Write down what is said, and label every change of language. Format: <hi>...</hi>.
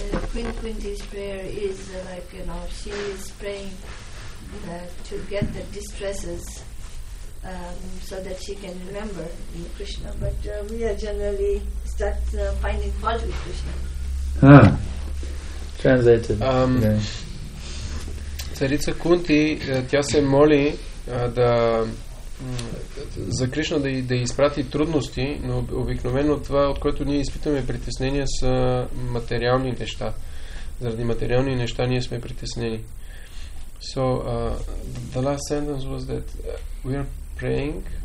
<en>Queen Quinty's prayer is she is praying to get the distresses so that she can remember Krishna, but we are generally start finding fault with Krishna. Translated.</en> <bg>Царица Кунти, тя се моли да за Кришна да, да изпрати трудности, но обикновено това, от което ние изпитаме притеснения, са материални неща. Заради материални неща ние сме притеснени.</bg> <en>So, the last sentence was that we are praying</en>